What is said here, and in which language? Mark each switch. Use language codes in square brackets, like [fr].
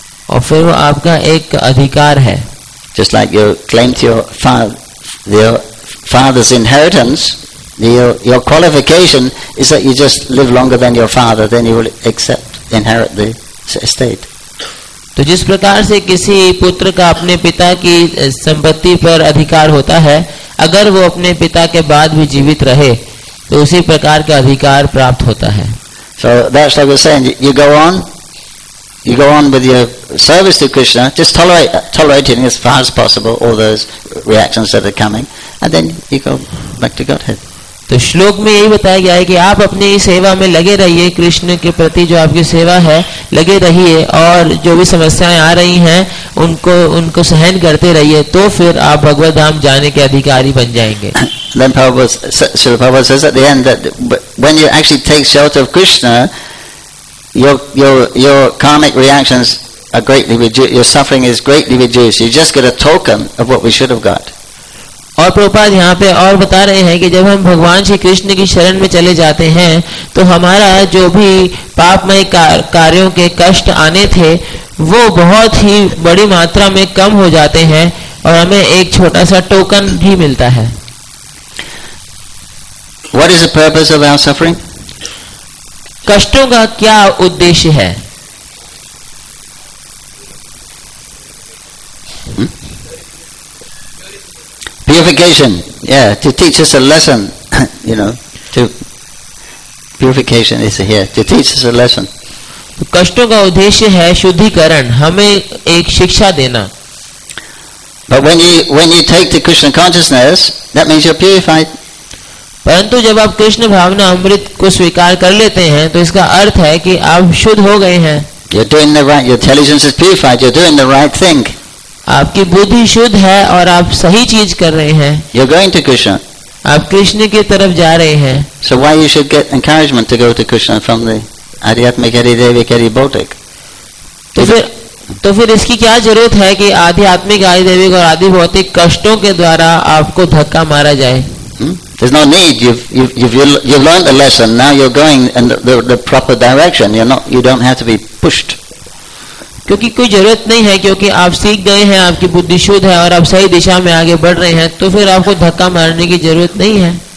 [hi] और फिर वो आपका एक अधिकार है। [en] Just like you claim to your father's inheritance. Your qualification is that you just live longer than your father, then you will inherit the estate. [hi] तो जिस प्रकार से किसी पुत्र का अपने पिता की संपत्ति पर अधिकार होता है, अगर वो अपने पिता के बाद भी जीवित रहे, तो उसी प्रकार का अधिकार प्राप्त होता है। [en] So that's what we're saying. You go on with your service to Krishna, just tolerating as far as possible all those reactions that are coming, and then you go back to Godhead. [hi] तो श्लोक में यही बताया गया है कि आप अपनी सेवा में लगे रहिए, कृष्ण के प्रति जो आपकी सेवा है लगे रहिए, और जो भी समस्याएं आ रही हैं उनको सहन करते रहिए, तो फिर आप भगवत धाम जाने के अधिकारी बन जाएंगे। [en] Then Srila Prabhupada says at the end that when you actually take shelter of Krishna, your karmic reactions are greatly reduced, your suffering is greatly reduced. You just get a token of what we should have got. [hi] और प्रभुपाद यहाँ पे और बता रहे हैं कि जब हम भगवान श्री कृष्ण की शरण में चले जाते हैं, तो हमारा जो भी पापमय कार्यों के कष्ट आने थे, वो बहुत ही बड़ी मात्रा में कम हो जाते हैं, और हमें एक छोटा सा टोकन भी मिलता है। [en] What is the purpose of our suffering? [hi] कष्टों का क्या उद्देश्य है? [en] Purification, yeah, to teach us a lesson, you know, purification is here, to teach us a lesson. [hi] कष्टों का उद्देश्य है शुद्धिकरण, हमें एक शिक्षा देना। [en] But when you take to Krishna consciousness, that means you're purified. [hi] परंतु जब आप कृष्ण भावना अमृत को स्वीकार कर लेते हैं, तो इसका अर्थ है कि आप शुद्ध हो गए हैं। [en] You're doing the right, your intelligence is purified, you're doing the right thing. [hi] आपकी बुद्धि शुद्ध है और आप सही चीज कर रहे हैं। [en] You're going to Krishna. [hi] आप कृष्ण की तरफ जा रहे हैं। [en] So why you should get encouragement to go to Krishna from the Adhyatmic Hari Devi Hari Bhautik? [hi] तो फिर इसकी क्या जरूरत है कि आध्यात्मिक आदि देविक और आदि भौतिक कष्टों के द्वारा आपको धक्का मारा जाए? [en] There's no need. You've learned the lesson. Now you're going in the proper direction. You don't have to be pushed. [hi] क्योंकि कोई जरूरत नहीं है, क्योंकि आप सीख गए हैं, आपकी बुद्धि शुद्ध है और आप सही दिशा में आगे बढ़ रहे हैं, तो फिर आपको धक्का मारने की जरूरत नहीं है।